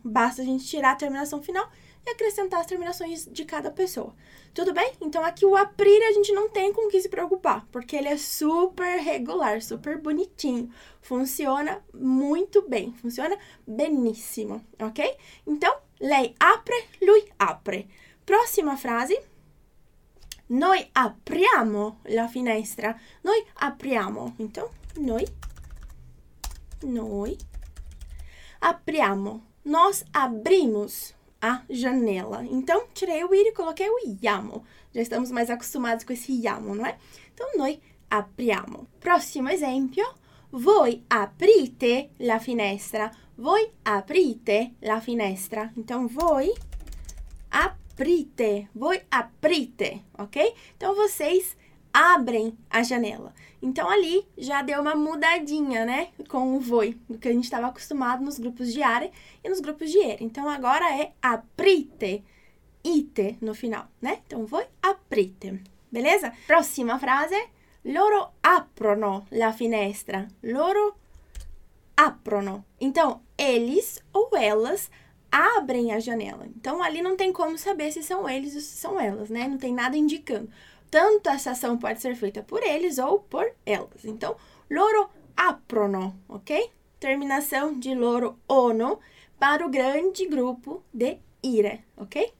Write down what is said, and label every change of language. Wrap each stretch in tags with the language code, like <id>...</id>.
<pt>Basta a gente tirar a terminação final e acrescentar as terminações de cada pessoa. Tudo bem? Então, aqui o aprir a gente não tem com o que se preocupar, porque ele é super regular, super bonitinho. Funciona muito bem, funciona beníssimo, ok?</pt> <it>Então, lei apre, lui apre.</it> <pt>Próxima frase.</pt> <it>Noi apriamo la finestra. Noi apriamo. Então, noi apriamo.</it> <pt>Nós abrimos a janela. Então, tirei o ir e coloquei o iamo. Já estamos mais acostumados com esse iamo, não é?</pt> <it>Então, noi apriamo.</it> <pt>Próximo exemplo.</pt> <it>Voi aprite la finestra. Voi aprite la finestra. Então, voi aprite. Aprite, voi aprite, ok?</it> <pt>Então, vocês abrem a janela. Então, ali já deu uma mudadinha, né? Com o voi, do que a gente estava acostumado nos grupos de are e nos grupos de ere. Então, agora é aprite, ite no final, né? Então,</pt> <it>voi aprite,</it> <pt>beleza? Próxima frase.</pt> <it>Loro aprono la finestra. Loro aprono.</it> <pt>Então, eles ou elas abrem a janela. Então, ali não tem como saber se são eles ou se são elas, né? Não tem nada indicando. Tanto essa ação pode ser feita por eles ou por elas. Então,</pt> <it>loro aprono,</it> <pt>ok? Terminação de loro ono para o grande grupo de ire, ok?</pt>